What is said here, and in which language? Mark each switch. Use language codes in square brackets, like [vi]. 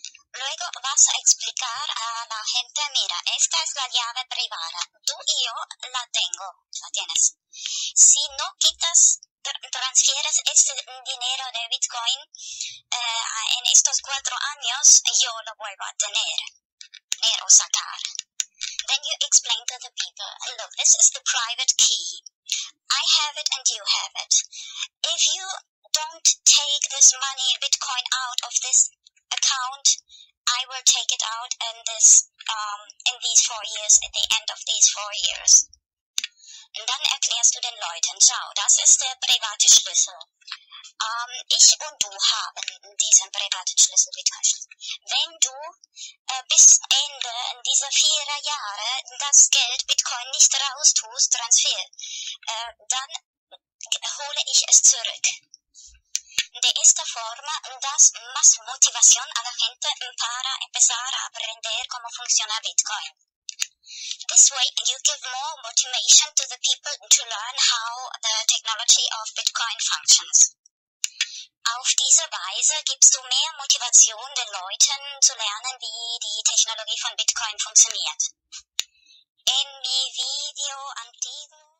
[es] Luego vas a explicar a la gente, mira, esta es la llave privada. Tú y yo la tengo, la tienes. Si no quitas, transfieres este dinero de Bitcoin en estos 4 años, yo lo vuelvo a tener, o sacar. [en] Then you explain to the people, look, this is the private key. I have it and you have it. If you don't take this money, Bitcoin, out of this account, I will take it out in this, in these 4 years, at the end of these 4 years. [de] Und dann erklärst du den Leuten, schau, das ist der private Schlüssel. Ich und du haben diesen privaten Schlüssel, wenn du bis Ende dieser 4 Jahre das Geld Bitcoin nicht raus tust, Transfer, dann hole ich es zurück. [es] De esta forma das más motivación a la gente para empezar a aprender cómo funciona Bitcoin. [en] This way, you give more motivation to the people to learn how the technology of Bitcoin functions. [de] Auf diese Weise gibst du mehr Motivation den Leuten zu lernen, wie die Technologie von Bitcoin funktioniert. In [es] mi video antigo.